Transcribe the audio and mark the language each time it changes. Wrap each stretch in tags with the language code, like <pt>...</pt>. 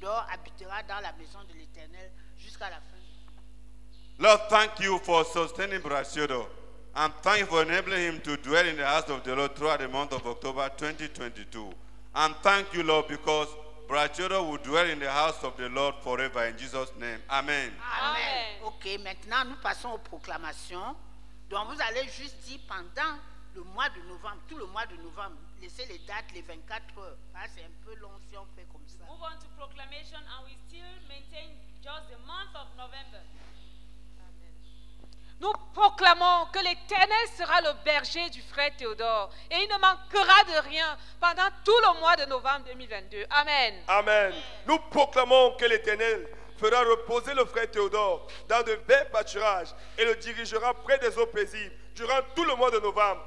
<fr>Habitera dans la maison de l'Éternel jusqu'à la fin.</fr> <en>Lord, thank you for sustaining Brother Theodore. I'm thankful for enabling him to dwell in the house of the Lord throughout the month of October 2022. And thank you, Lord, because Brother Theodore will dwell in the house of the Lord forever in Jesus' name. Amen.</en> <fr>Amen. Ok, maintenant nous passons aux proclamations. Donc vous allez juste dire pendant le mois de novembre, tout le mois de novembre, laissez les dates, les 24 heures. Hein, c'est un peu long si on fait comme ça.</fr> <en>Move on to proclamation and we still maintain just the month of November. Amen.</en> <fr>Nous proclamons que l'Éternel sera le berger du frère Théodore et il ne manquera de rien pendant tout le mois de novembre 2022. Amen. Amen. Amen. Nous proclamons que l'Éternel fera reposer le frère Théodore dans de verts pâturages et le dirigera près des eaux paisibles durant tout le mois de novembre.</fr>